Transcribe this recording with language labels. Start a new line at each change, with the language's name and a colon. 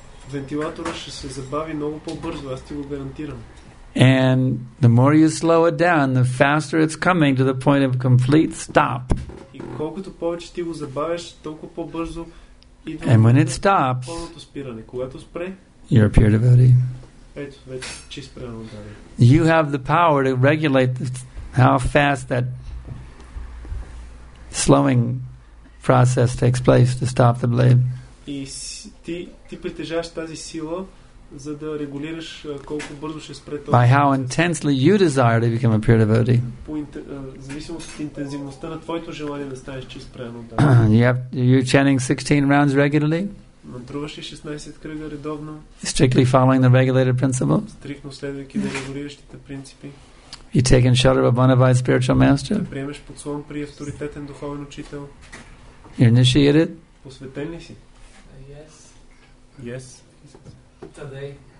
Bulgarian: Вентилатора ще се забави много по-бързо, аз ти го гарантирам.
English: And the more you slow it down, the faster it's coming to the point of complete stop.
Bulgarian: И колкото повече ти го забавиш, толкова по-бързо идва.
English: And when it stops,
Bulgarian: пълното спиране, когато спре,
English: you're a pure devotee.
Bulgarian: Ето, вече чист преданник.
English: You have the power to regulate how fast that slowing process takes place to stop the blade.
Bulgarian: И ти притежаваш тази сила, за да регулираш колко бързо ще спре това.
English: By how intensely you desire to become a pure devotee.
Bulgarian: Зависимост от интензивността на твоето желание да станеш чист преданник.
English: You're chanting 16 rounds regularly?
Bulgarian: Мантруваш ли 16 кръга редовно?
English: Strictly following the regulated principle?
Bulgarian: Стриктно следвайки регулиращите принципи?
English: You take in shelter of a bona fide spiritual master?
Bulgarian: Приемаш подслон при авторитетен духовен учител?
English: You're initiated?
Bulgarian: Посветен ли си?
English: Yes. Today.